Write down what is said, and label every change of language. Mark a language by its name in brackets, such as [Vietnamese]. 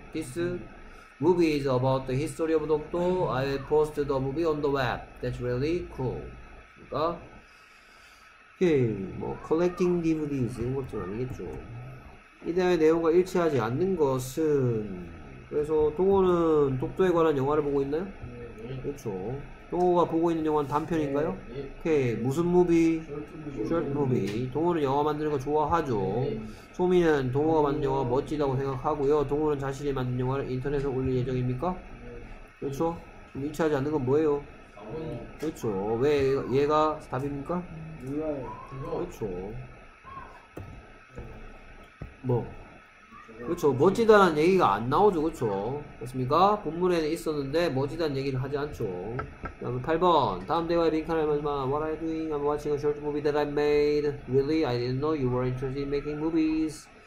[English] This movie is about the history of Dokdo. I post the movie on the web. That's really cool. 그러니까 [Korean] 뭐 컬렉팅 DVDs 이런 것들은 아니겠죠. 이대의 내용과 일치하지 않는 것은 그래서 동호는 독도에 관한 영화를 보고 있나요? 그렇죠. 동호가 보고 있는 영화는 단편인가요? 오케이. 무슨 무비? 숏 무비. 동호는 영화 만드는 거 좋아하죠. 소미는 동호가 만든 영화 멋지다고 생각하고요. 동호는 자신이 만든 영화를 인터넷에 올릴 예정입니까? 그렇죠. 그럼 일치하지 않는 건 뭐예요? 그렇죠. 왜 얘가 답입니까? 그렇죠. 뭐. 그렇죠. 멋지다는 얘기가 안 나오죠. 그렇죠. 그렇습니까? 본문에는 있었는데 멋지다는 얘기를 하지 않죠. 그다음 8번. 다음 대화의 링크를 마지막. [English] What are you doing? I'm watching a short movie that I made. Really? I didn't know you were interested in making movies.